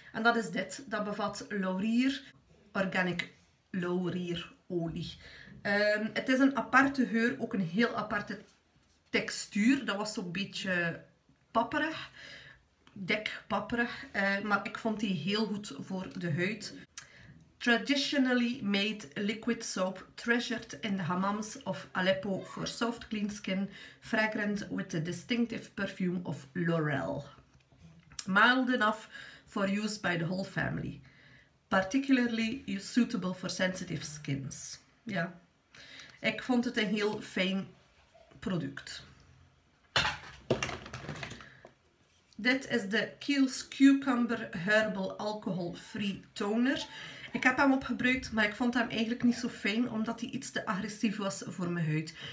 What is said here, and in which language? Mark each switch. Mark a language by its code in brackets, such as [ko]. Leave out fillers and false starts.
[nl] En dat is dit, dat bevat laurier, organic laurierolie. Het is een aparte geur, ook een heel aparte textuur. Dat was zo'n beetje papperig, dik papperig. Maar ik vond die heel goed voor de huid. [en] Traditionally made liquid soap treasured in the hammams of Aleppo for soft clean skin, fragrant with the distinctive perfume of laurel. Mild enough for use by the whole family. Particularly suitable for sensitive skins. [nl] Ja. Ik vond het een heel fijn product. Dit is de Kiehl's Cucumber Herbal Alcohol Free Toner. Ik heb hem opgebruikt, maar ik vond hem eigenlijk niet zo fijn, omdat hij iets te agressief was voor mijn huid.